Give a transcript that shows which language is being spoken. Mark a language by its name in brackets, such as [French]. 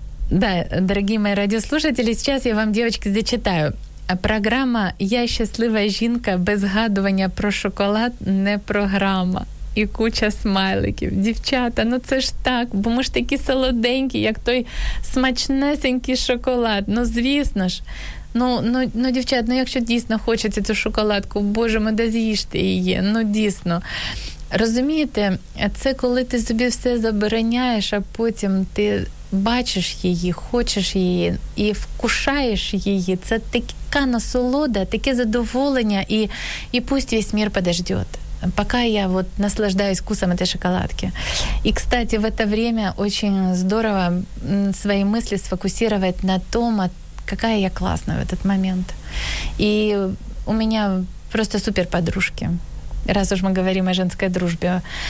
[Russian] Да, дорогие мои радиослушатели, сейчас я вам, девочки, зачитаю. [Ukrainian] Программа «Я счастлива жінка» без згадування про шоколад не програма. І куча смайликів. Дівчата, ну це ж так, бо ми ж такі солоденькі, як той смачнесенький шоколад. Ну, звісно ж. Ну, дівчат, ну якщо дійсно хочеться цю шоколадку, боже, ми де з'їжте її? Ну, дійсно. Розумієте, це коли ти собі все забороняєш, а потім ти бачиш її, хочеш її і вкушаєш її. Це така насолода, таке задоволення, і [Russian] пусть весь мир подождет. Пока я вот наслаждаюсь вкусом этой шоколадки. И, кстати, в это время очень здорово свои мысли сфокусировать на том, какая я классная в этот момент. И у меня просто супер подружки, раз уж мы говорим о женской дружбе.